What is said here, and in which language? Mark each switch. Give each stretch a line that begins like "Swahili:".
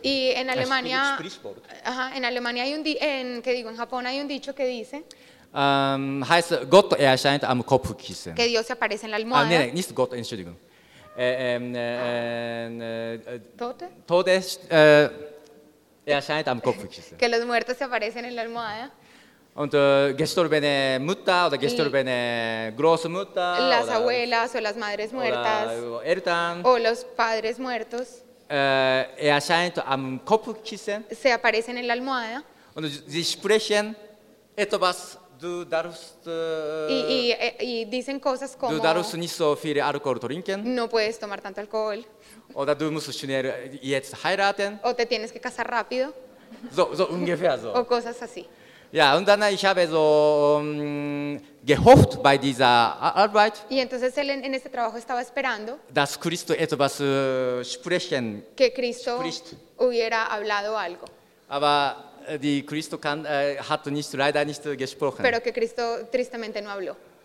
Spanish: Y en Alemania, en Alemania hay un di, en, que digo, en Japón hay un dicho que dice.
German: Heißt Gott erscheint am Kopfkissen.
Spanish: Que Dios se aparece en la almohada.
German: Ah, nee, nicht Gott, Entschuldigung. Tote? Todes, erscheint am Kopfkissen.
Spanish: Que los muertos se aparecen en la almohada.
German: Und gestorbene Mutter oder gestorbene Großmutter.
Spanish: Las abuelas o las madres muertas.
German: Oder Eltern.
Spanish: O los padres muertos.
German: Erscheint am Kopfkissen.
Spanish: Se aparecen en la almohada.
German: Und sie sprechen etwas. Du darfst,
Spanish: y dicen cosas como
German: du darfst nicht so viel Alkohol trinken,
Spanish: no puedes tomar tanto alcohol
German: oder du musst schnell jetzt heiraten,
Spanish: o te tienes que casar rápido
German: so ungefähr so
Spanish: o cosas así.
German: Ja, und dann ich habe so gehofft bei dieser Arbeit,
Spanish: y entonces él en este trabajo estaba esperando,
German: dass Cristo etwas sprechen,
Spanish: que Cristo
German: spricht,
Spanish: hubiera hablado algo.
German: Aber die Christo kann, hat nicht, leider nicht gesprochen.
Spanish: Pero que Cristo tristemente no habló.